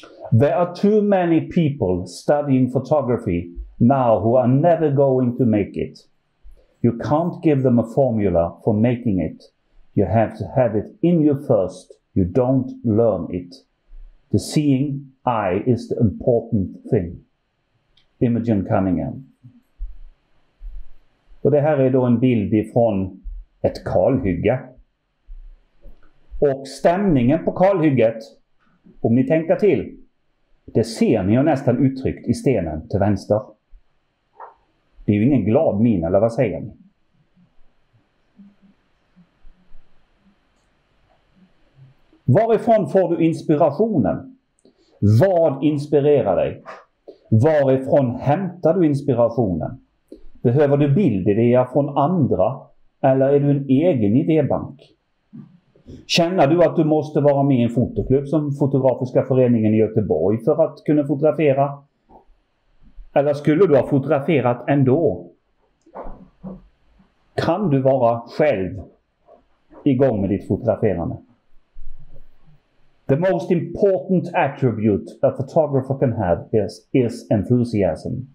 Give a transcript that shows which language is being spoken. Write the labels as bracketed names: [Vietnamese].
[English] There are too many people studying photography now who are never going to make it. You can't give them a formula for making it. You have to have it in you first. You don't learn it. The seeing eye is the important thing. Imogen Cunningham. [Swedish] Och det här är då en bild ifrån ett kalhygge. Och stämningen på kalhygget, om ni tänker till, det ser ni ju nästan uttryckt i stenen till vänster. Det är ju ingen glad min, eller vad säger ni? Varifrån får du inspirationen? Vad inspirerar dig? Varifrån hämtar du inspirationen? Behöver du bildidéer från andra? Eller är du en egen idébank? Känner du att du måste vara med i en fotoklubb som Fotografiska föreningen i Göteborg för att kunna fotografera? Eller skulle du ha fotograferat ändå? Kan du vara själv igång med ditt fotograferande? [English] The most important attribute a photographer can have is enthusiasm.